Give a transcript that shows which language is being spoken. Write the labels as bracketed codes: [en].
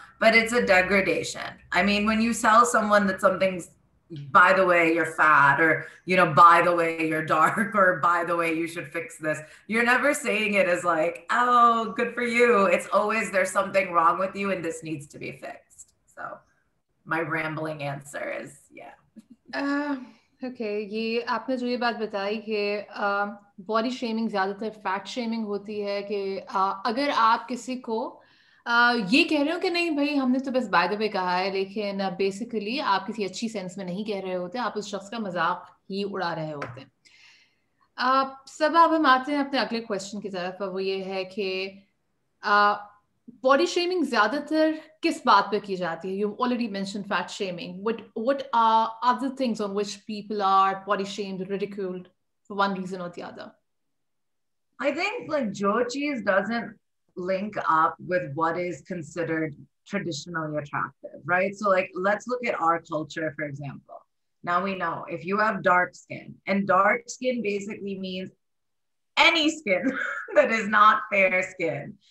[en] But it's a degradation. I mean, when you sell someone that something's, by the way, you're fat, or, you know, by the way, you're dark, or by the way, you should fix this. You're never saying it as like, oh, good for you. It's always there's something wrong with you and this needs to be fixed. So my rambling answer is, yeah. [ur] Okay, ye aapne jo ye baat batai ki body shaming zyada tar fat shaming hoti hai, ki agar aap kisi ko یہ کہہ رہے ہو کہ نہیں بھائی ہم نے تو بس بائی دی وے کہا ہے، لیکن بیسیکلی آپ کسی اچھی سینس میں نہیں کہہ رہے ہوتے، آپ اس شخص کا مذاق ہی اڑا رہے ہوتے ہیں۔ سب، اب ہم آتے ہیں اپنے اگلے کوسچن کی طرف، وہ یہ ہے کہ باڈی شیمنگ زیادہ تر کس بات پہ کی جاتی ہے؟ [en] You already mention fat shaming, what are other things on which people are body shamed, ridiculed for one reason or the other? I think like [ur] جو چیز [en] Doesn't link up with what is considered traditionally attractive, right? So like, let's look at our culture, for example. Now we know if you have dark skin, and dark skin basically means any skin that is not fair skin.